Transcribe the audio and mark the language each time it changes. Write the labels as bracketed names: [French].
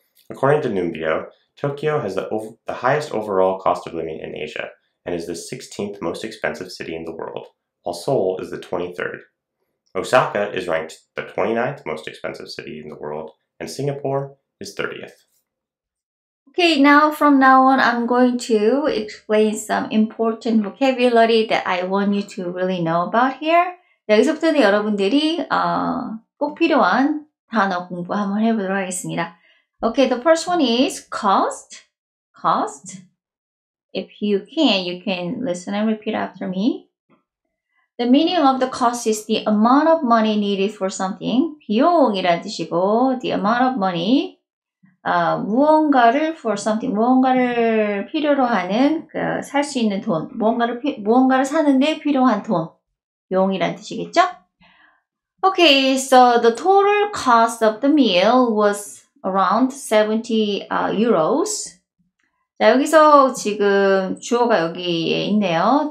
[English] According to Numbeo, Tokyo has the highest overall cost of living in Asia and is the 16th most expensive city in the world, while Seoul is the 23rd. Osaka is ranked the 29th most expensive city in the world, and Singapore is 30th. Okay, now from now on, I'm going to explain some important vocabulary that I want you to really know about here. [Korean] 여기서부터는 여러분들이 꼭 필요한 단어 공부 한번 해보도록 하겠습니다. [English] Okay, the first one is cost. Cost. If you can listen and repeat after me. The meaning of the cost is the amount of money needed for something. [Korean] 비용이란 뜻이고, [English] the amount of money. [Korean] 무언가를 [English] for something, [Korean] 무언가를 필요로 하는, 그 살 수 있는 돈, 무언가를 사는데 필요한 돈, 용이란 뜻이겠죠? [English] Okay, so the total cost of the meal was around 70 euros. [Korean] 자, 여기서 지금 주어가 여기에 있네요.